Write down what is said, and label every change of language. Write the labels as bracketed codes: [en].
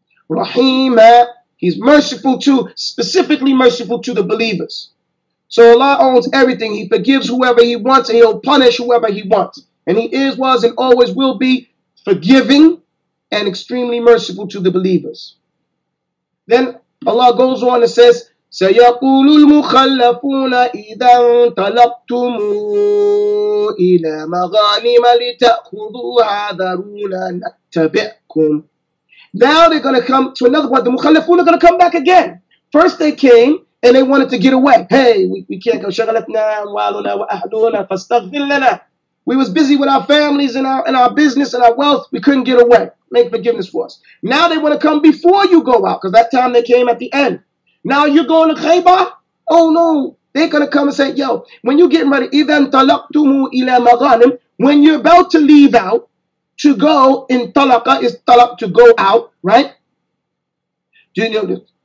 [en] Rahima, he's merciful to, specifically merciful to the believers. So Allah owns everything. He forgives whoever he wants and he'll punish whoever he wants. And he is, was, and always will be forgiving and extremely merciful to the believers. Then Allah goes on and says, [ar] سيقول المخلفون إذا انطلقتم إلى مغانم لتأخذوها ذرونا نتبعكم. [en] Now they're going to come to another point. The مخلفون are going to come back again. First they came and they wanted to get away. Hey, we can't go. [ar] شغلتنا أموالنا وأهلنا فاستغفر لنا. [en] We was busy with our families and our business and our wealth. We couldn't get away. Make forgiveness for us. Now they want to come before you go out, because that time they came at the end. Now you're going to Khaybah? Oh no, they're going to come and say, yo, when you're getting ready, [ar] إِذَنْ طَلَقْتُمُ إِلَى مَغَانِمْ, [en] when you're about to leave out, to go, in طَلَقَ is طَلَق, to go out, right? Do you know this?